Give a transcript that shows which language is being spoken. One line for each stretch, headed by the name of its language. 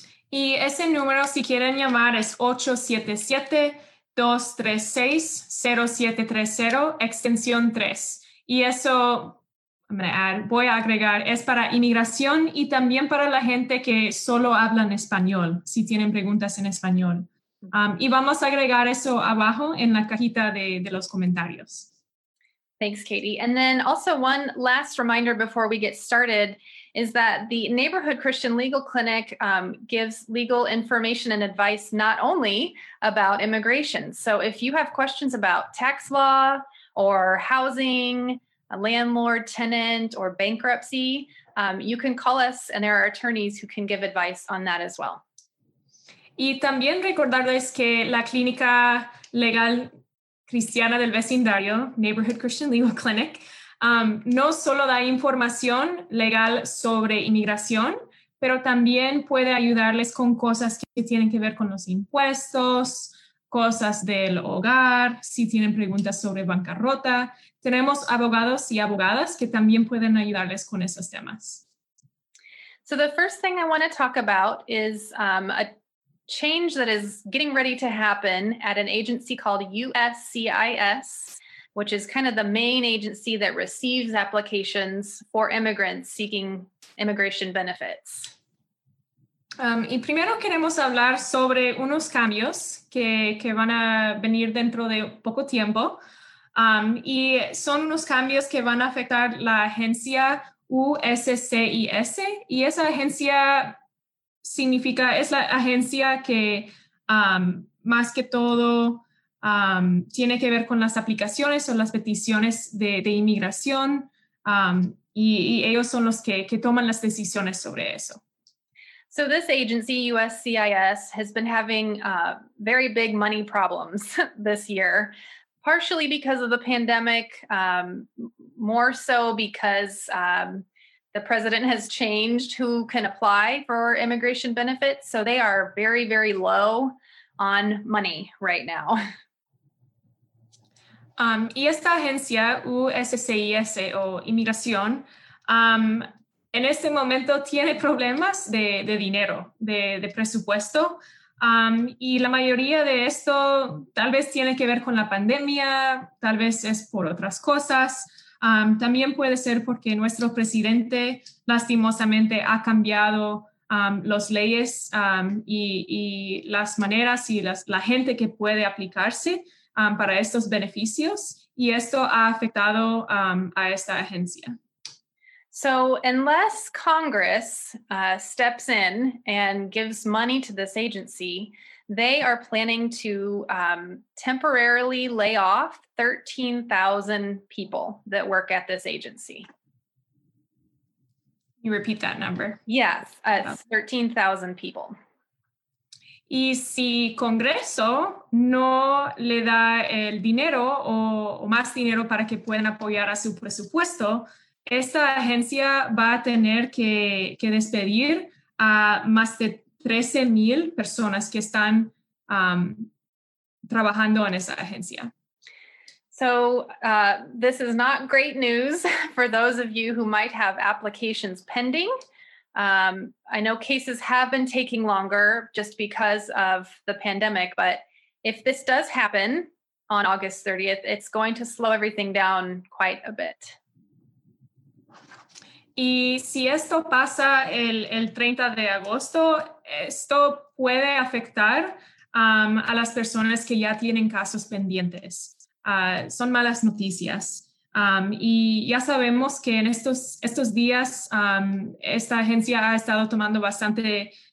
Spanish: Y ese número, si quieren llamar, es 877-236-0730, extensión 3. Y eso, voy a agregar, es para inmigración y también para la gente que solo habla en español, si tienen preguntas en español. Y vamos a agregar eso abajo en la cajita de los comentarios.
English: Thanks, Katie. And then also one last reminder before we get started is that the Neighborhood Christian Legal Clinic gives legal information and advice not only about immigration. So if you have questions about tax law or housing, a landlord, tenant, or bankruptcy, you can call us and there are attorneys who can give advice on that as well.
Spanish: Y también recordarles que la clínica legal cristiana del vecindario, Neighborhood Christian Legal Clinic, no solo da información legal sobre inmigración, pero también puede ayudarles con cosas que tienen que ver con los impuestos, cosas del hogar, si tienen preguntas sobre bancarrota. Tenemos abogados y abogadas que también pueden ayudarles con esos temas.
English: So the first thing I want to talk about is change that is getting ready to happen at an agency called USCIS, which is kind of the main agency that receives applications for immigrants seeking immigration benefits.
Spanish: Y primero queremos hablar sobre unos cambios que van a venir dentro de poco tiempo. Y son unos cambios que van a afectar la agencia USCIS, y esa agencia significa, es la agencia que más que todo tiene que ver con las aplicaciones o las peticiones de inmigración, y ellos son los que toman las decisiones sobre eso.
English: So this agency, USCIS, has been having very big money problems this year, partially because of the pandemic, more so because the president has changed who can apply for immigration benefits, so they are very, very low on money right now.
Spanish: Y esta agencia, USCIS o Inmigración, en este momento tiene problemas de dinero, de presupuesto, y la mayoría de esto tal vez tiene que ver con la pandemia, tal vez es por otras cosas. También puede ser porque nuestro presidente lastimosamente ha cambiado las leyes y las maneras y la gente que puede aplicarse para estos beneficios, y esto ha afectado a esta agencia.
English: So unless Congress steps in and gives money to this agency, they are planning to temporarily lay off 13,000 people that work at this agency. You repeat that number. Yes, 13,000 people.
Spanish: Y si Congreso no le da el dinero o más dinero para que puedan apoyar a su presupuesto, esta agencia va a tener que despedir a más de 13,000 personas que están trabajando en esa agencia.
English: So this is not great news for those of you who might have applications pending. I know cases have been taking longer just because of the pandemic, but if this does happen on August 30th, it's going to slow everything down quite a bit.
Spanish: Y si esto pasa el 30 de agosto, esto puede afectar a las personas que ya tienen casos pendientes. Son malas noticias. Y ya sabemos que en estos días esta agencia ha estado tomando bastante